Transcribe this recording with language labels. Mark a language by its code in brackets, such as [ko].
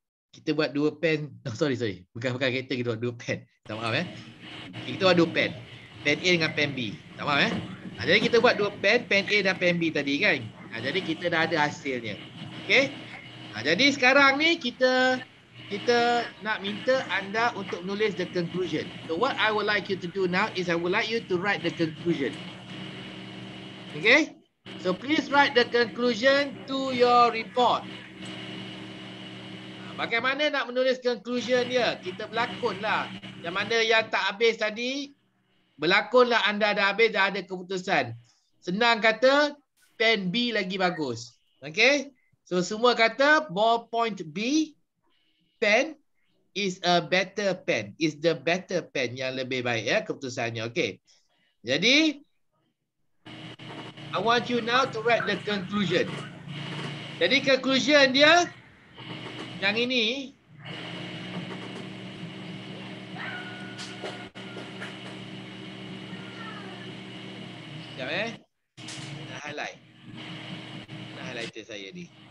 [ms] Kita buat dua pen. Oh, sorry, sorry. Bukan-bukan kereta, kita buat dua pen. Tak maaf eh. Kita buat dua pen. Pen A dengan pen B. Tak maaf eh. Nah, jadi kita buat dua pen, pen A dan pen B tadi kan. Nah, jadi kita dah ada hasilnya. Okay. Nah, jadi sekarang ni kita nak minta anda untuk menulis [en] the conclusion. So what I would like you to do now is I would like you to write the conclusion. Okay. So please write the conclusion to your report. [ms] Bagaimana nak menulis conclusion dia? Kita berlakonlah. Yang mana yang tak habis tadi, berlakonlah anda dah habis, dah ada keputusan. Senang kata, pen B lagi bagus. Okay? [en] So, [ms] semua kata, [en] ballpoint B, pen is a better pen. Is the better pen [ms] yang lebih baik ya keputusannya. [en] Okay. [ms] Jadi, [en] I want you now to write the conclusion. [ms] Jadi, conclusion dia, yang ini, sekejap eh, nak highlight, nak highlighter saya ni.